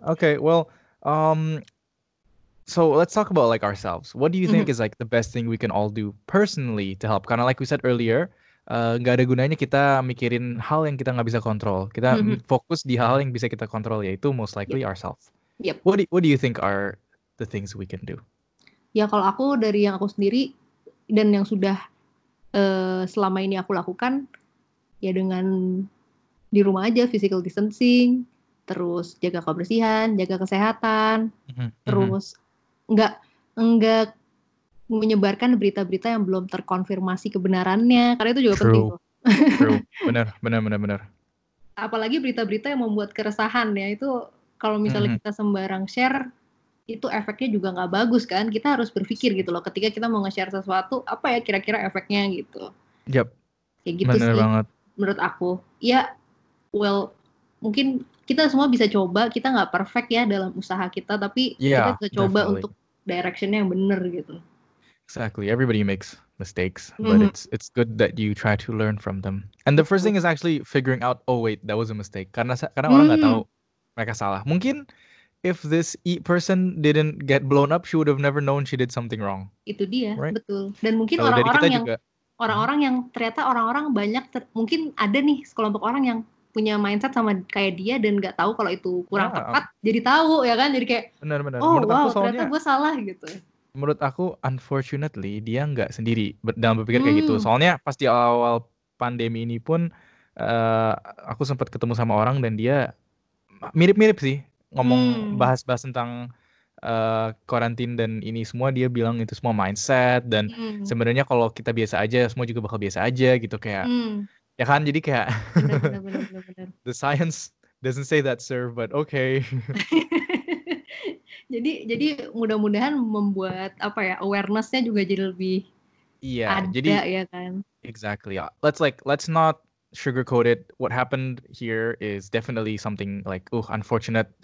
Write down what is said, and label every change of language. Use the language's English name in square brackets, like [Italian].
[English] Okay, well, so let's talk about like ourselves. What do you think is like the best thing we can all do personally to help? [Indonesian] Karena [English] like we said earlier, [Indonesian] gak ada gunanya kita mikirin hal yang kita gak bisa kontrol. Kita fokus di hal yang bisa kita kontrol, yaitu [English] most likely ourselves. Yep. What do you think are the things we can do? [Indonesian] Ya kalau aku dari yang aku sendiri dan yang sudah selama ini aku lakukan, ya dengan di rumah aja, physical distancing, terus jaga kebersihan, jaga kesehatan, terus enggak menyebarkan berita-berita yang belum terkonfirmasi kebenarannya, karena itu juga [English] true. [Indonesian] Penting. Benar. Apalagi berita-berita yang membuat keresahan ya, itu kalau misalnya kita sembarang share, itu efeknya juga nggak bagus kan. Kita harus berpikir gitu loh, ketika kita mau nge-share sesuatu, apa ya kira-kira efeknya gitu. [English] Yap. [Indonesian] Kayak gitu bener sih. Banget. Menurut aku, ya, well, mungkin kita semua bisa coba. Kita nggak perfect ya dalam usaha kita, tapi kita bisa coba [English] definitely. [Indonesian] Untuk directionnya yang benar gitu. [English] Exactly. Everybody makes mistakes, but it's good that you try to learn from them. And the first thing is actually figuring out, oh wait, that was a mistake. [Indonesian] Karena orang nggak tahu mereka salah. Mungkin [English] if this person didn't get blown up, she would have never known she did something wrong. [Indonesian] Itu dia, [English] right? [Indonesian] Betul. Dan mungkin kalau orang-orang yang juga, orang-orang yang ternyata orang-orang banyak mungkin ada nih sekelompok orang yang punya mindset sama kayak dia dan nggak tahu kalau itu kurang tepat, jadi tahu ya kan, jadi kayak benar-benar. Oh menurut wow, aku soalnya, ternyata gue salah gitu. Menurut aku, unfortunately, dia nggak sendiri dalam berpikir kayak gitu. Soalnya pas di awal pandemi ini pun, aku sempat ketemu sama orang dan dia mirip-mirip sih ngomong bahas-bahas tentang quarantine dan ini semua. Dia bilang itu semua mindset dan sebenarnya kalau kita biasa aja, semua juga bakal biasa aja gitu kayak. Ya kan, jadi kayak benar. [English] The science doesn't say that, sir, but okay. [Indonesian] jadi mudah-mudahan membuat apa ya, awareness-nya juga jadi lebih ada, jadi ya kan. [English] Exactly. Let's not sugarcoat it. What happened here is definitely something like unfortunate.